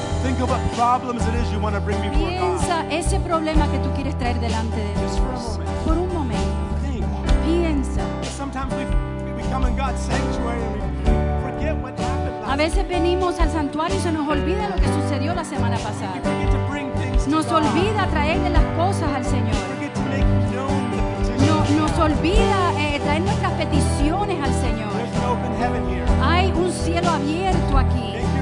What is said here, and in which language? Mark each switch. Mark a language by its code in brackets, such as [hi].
[en] Think of what problems it is you want to bring before [es] Piensa [en] God. [es] Ese problema que tú quieres traer delante de Dios. [en] Just for a moment. [es] Por un momento. [en] Think. [es] Piensa. [en] Sometimes we come in God's sanctuary and we forget what happened last [es] A veces venimos al santuario y se nos olvida lo que sucedió la semana pasada. [en] We forget to bring things to [es] nos [en] God. [es] Olvida traerle las cosas al Señor. [en] We forget to make known the petition. [es] Nos olvida traer nuestras peticiones al Señor. Hay un cielo abierto aquí.